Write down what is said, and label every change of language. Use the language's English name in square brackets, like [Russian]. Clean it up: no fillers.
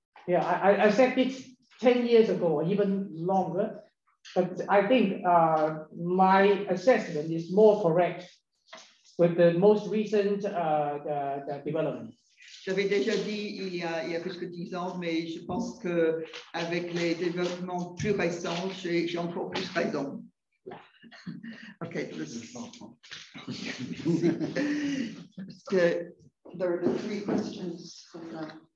[English] Yeah, I said it 10 years ago, even longer, but I think my assessment is more correct with the most recent development. [French] J'avais déjà dit il y a plus que 10 ans, mais je pense que avec les développements plus récents, j'ai encore plus raison. [English] Okay, so there are three questions from that.